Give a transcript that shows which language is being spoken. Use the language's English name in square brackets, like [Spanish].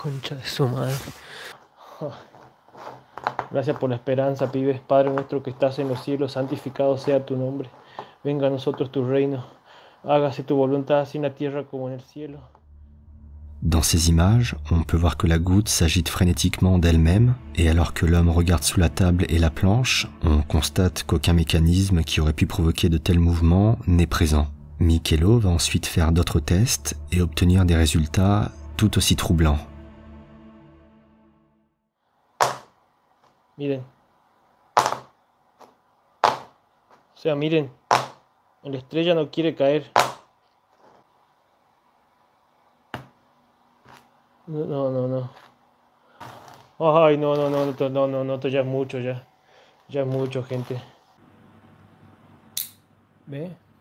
[Spanish] De su madre. Gracias por la esperanza, pibes. Padre nuestro que estás en los cielos, santificado sea tu nombre. Venga a nosotros tu reino. Hágase tu voluntad, así en la tierra como en el cielo. [French] Dans ces images, on peut voir que la goutte s'agite frénétiquement d'elle-même, et alors que l'homme regarde sous la table et la planche, on constate qu'aucun mécanisme qui aurait pu provoquer de tels mouvements n'est présent. Michelo va ensuite faire d'autres tests et obtenir des résultats tout aussi troublants. [Spanish] Miren, o sea, miren, la estrella no quiere caer, no, esto ya es mucho, ya es mucho, gente, ¿ve?